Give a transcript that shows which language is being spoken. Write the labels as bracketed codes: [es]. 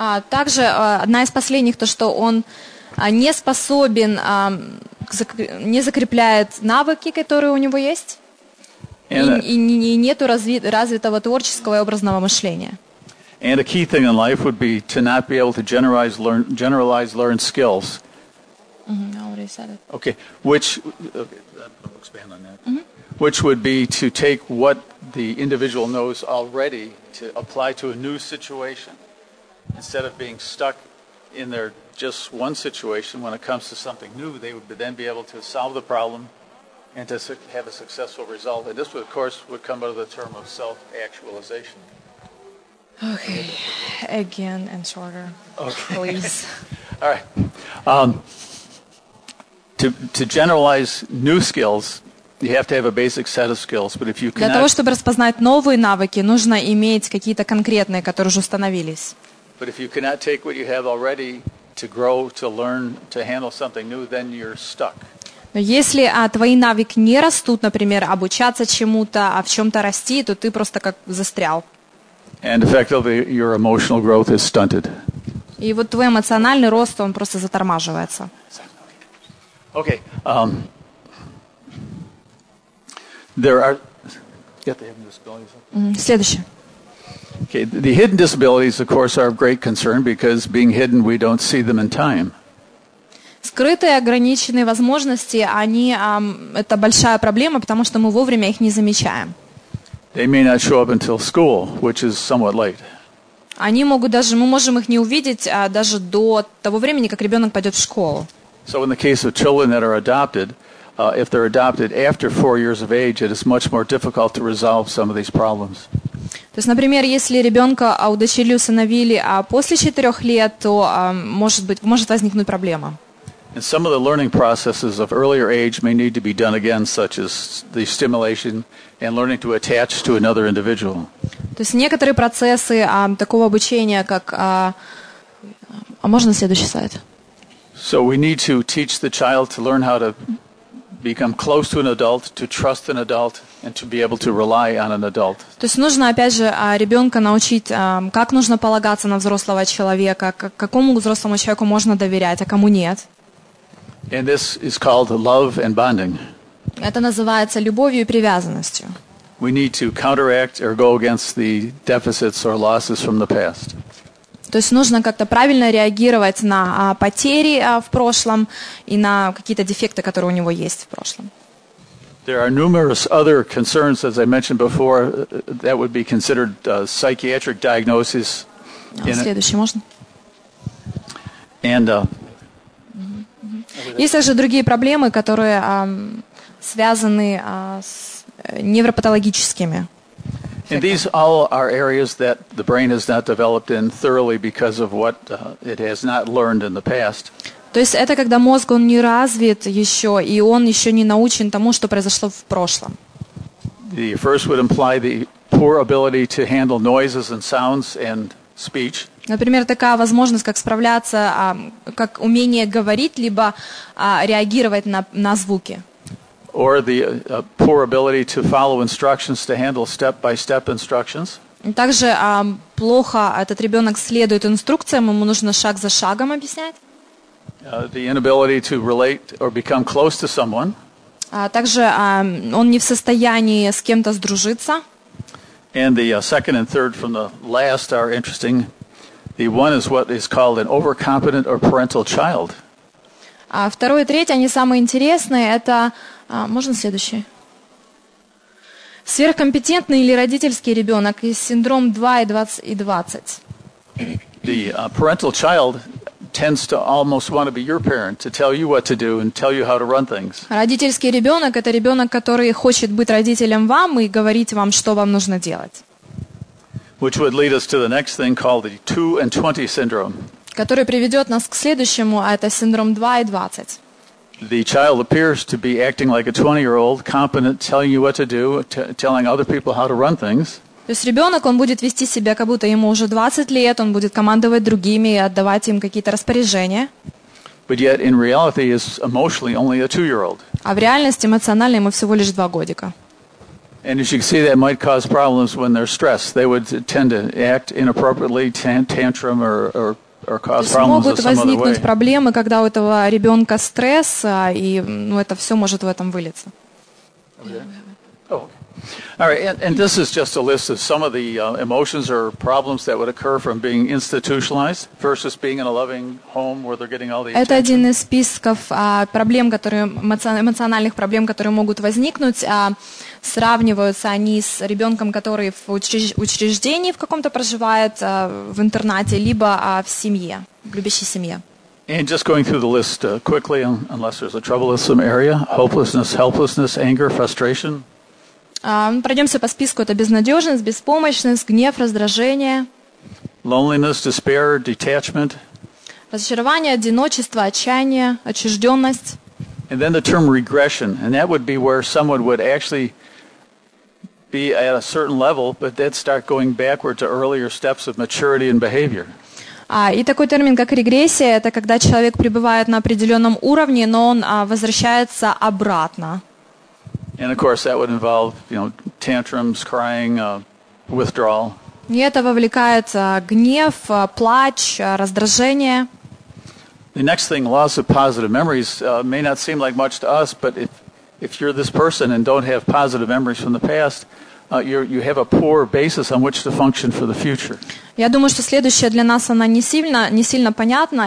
[ru] Также одна из последних, то, что он не способен, не закрепляет навыки, которые у него есть, и нету развитого творческого и образного мышления. [en] And a key thing in life would be to not be able to generalize learned skills. Mm-hmm, I already said it. Okay, I'll expand on that. Mm-hmm. Which would be to take what the individual knows already to apply to a new situation instead of being stuck in their just one situation. When it comes to something new, they would then be able to solve the problem and to have a successful result. And this, would, of course, would come under the term of self-actualization. Okay, again and shorter, okay. Please. All right. To generalize new skills, you have to have a basic set of skills. But if you cannot. [ru] Для того чтобы распознать новые навыки, нужно иметь какие-то конкретные, которые уже установились. [en] But if you cannot take what you have already to grow, to learn, to handle something new, then you're stuck. [ru] Но если твои навыки не растут, например, обучаться чему-то, а в чем-то расти, то ты просто как застрял. [en] And effectively, your emotional growth is stunted. [ru] И вот твой эмоциональный рост, он просто затормаживается. [en] Okay. There are. Get the hidden disabilities. [ru] Следующее. [en] Okay. The hidden disabilities, of course, are of great concern because being hidden, we don't see them in time. [ru] Скрытые ограниченные возможности, они это большая проблема, потому что мы вовремя их не замечаем. [en] They may not show up until school, which is somewhat late. [ru] Они могут даже, мы можем их не увидеть даже до того времени, как ребенок пойдет в школу. [en] So in the case of children that are adopted, if they're adopted after 4 years of age, it is much more difficult to resolve some of these problems. [ru] То есть, например, если ребенка удочерили, усыновили, а после 4 лет, то может возникнуть проблема. [en] And some of the learning processes of earlier age may need to be done again, such as the stimulation and learning to attach to another individual. [ru] То есть некоторые процессы такого обучения, как... А можно следующий слайд? [en] So we need to teach the child to learn how to become close to an adult, to trust an adult, and to be able to rely on an adult. [ru] То есть нужно, опять же, ребенка научить, как нужно полагаться на взрослого человека, какому взрослому человеку можно доверять, а кому нет. [en] And this is called love and bonding. [ru] Это называется любовью и привязанностью. [en] We need to counteract or go against the deficits or losses from the past. [ru] То есть нужно как-то правильно реагировать на потери в прошлом и на какие-то дефекты, которые у него есть в прошлом. [en] There are numerous other concerns, as I mentioned before, that would be considered psychiatric diagnosis. [ru] Следующий, можно? [en] And, [ru] есть также другие проблемы, которые связаны с невропатологическими. [en] And these all are areas that the brain has not developed in thoroughly because of what it has not learned in the past. [ru] То есть это когда мозг он не развит еще и он еще не научен тому, что произошло в прошлом. [en] The first would imply the poor ability to handle noises and sounds and speech. [ru] Например, такая возможность, как справляться, как умение говорить либо реагировать на звуки. [en] Or the poor ability to follow instructions, to handle step-by-step instructions. [ru] Также плохо этот ребенок следует инструкциям, ему нужно шаг за шагом объяснять. [en] The inability to relate or become close to someone. [ru] Также он не в состоянии с кем-то сдружиться. [en] And the second and third from the last are interesting. The one is what is called an overcompetent or parental child. [ru] А второй и третий, они самые интересные, это... можно следующий? Сверхкомпетентный или родительский ребенок и синдром 2 и 20. И 20. [en] The parental child tends to almost want to be your parent, to tell you what to do and tell you how to run things. [ru] Родительский ребенок – это ребенок, который хочет быть родителем вам и говорить вам, что вам нужно делать. [en] Which would lead us to the next thing called the 2 and 20 syndrome. [ru] Который приведет нас к следующему, а это синдром 2 и 20. [en] The child appears to be acting like a 20-year-old, competent, telling you what to do, telling other people how to run things. [ru] То есть ребенок, он будет вести себя, как будто ему уже 20 лет, он будет командовать другими и отдавать им какие-то распоряжения. [en] But yet, in reality, is emotionally only a 2-year-old. [ru] А в реальности эмоционально ему всего лишь 2 годика. [en] And as you can see, that might cause problems when they're stressed. They would tend to act inappropriately, tantrum or [ru] могут возникнуть проблемы, когда у этого ребенка стресс, и ну, это все может в этом вылиться. [en] All right, and this is just a list of some of the emotions or problems that would occur from being institutionalized versus being in a loving home where they're getting all the attention. [ru] Это один из списков проблем, которые эмоциональных проблем, которые могут возникнуть, сравниваются они с ребенком, который в учреждении в каком-то проживает, в интернате, либо в семье, в любящей семье. [en] And just going through the list quickly, unless there's a troublesome area: hopelessness, helplessness, anger, frustration. [ru] Пройдемся по списку. Это безнадежность, беспомощность, гнев, раздражение. [en] Loneliness, despair, detachment. [ru] Разочарование, одиночество, отчаяние, отчужденность. [en] And then the term regression. And that would be where someone would actually be at a certain level, but then start going backward to earlier steps of maturity and behavior. [ru] И такой термин, как регрессия, это когда человек пребывает на определенном уровне, но он возвращается обратно. [en] And of course, that would involve, you know, tantrums, crying, withdrawal. [ru] И это вовлекает гнев, плач, раздражение. [en] The next thing, loss of positive memories, may not seem like much to us, but if you're this person and don't have positive memories from the past, you have a poor basis on which to function for the future. [ru] Я думаю, что следующее для нас она не сильно понятна.